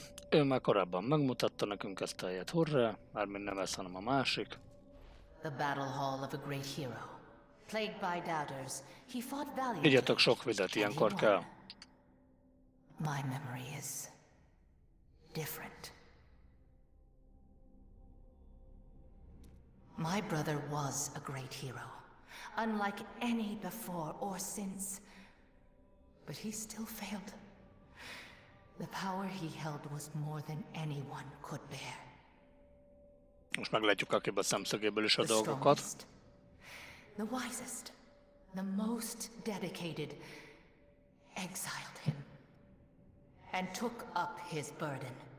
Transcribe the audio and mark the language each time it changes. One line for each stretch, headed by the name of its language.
Hungarian: Ő már korábban megmutatta nekünk ezt a helyet, hurrá, mármint nem ez, hanem a másik.
English: The battle hall of a great hero. Plagued by doubters, he fought valiantly.
Hungarian: Vigyetek sok vizet, ilyenkor kell.
English: My memory is different. My brother was a great hero, unlike any before or since. But he still failed. The power he held was more than anyone could bear.
Hungarian: Most meglátjuk akiből a szemszögéből is a dolgokat.
English: The strongest, the wisest, the most dedicated exiled him and took up his burden.